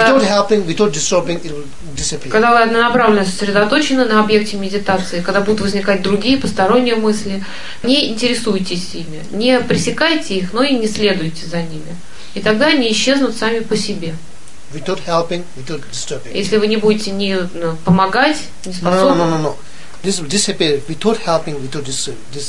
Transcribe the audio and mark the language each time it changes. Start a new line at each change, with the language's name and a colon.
English: without helping, without disturbing, it will disappear.
Russian: Когда вы однонаправленно сосредоточены на объекте медитации, когда будут возникать другие посторонние мысли, не интересуйтесь ими, не пресекайте их, но и не следуйте за ними. И тогда они исчезнут сами по себе.
English: Without helping, without disturbing.
Russian: Если вы не будете ни помогать, ни способны.
English: No. This will disappear without helping, without disturbing.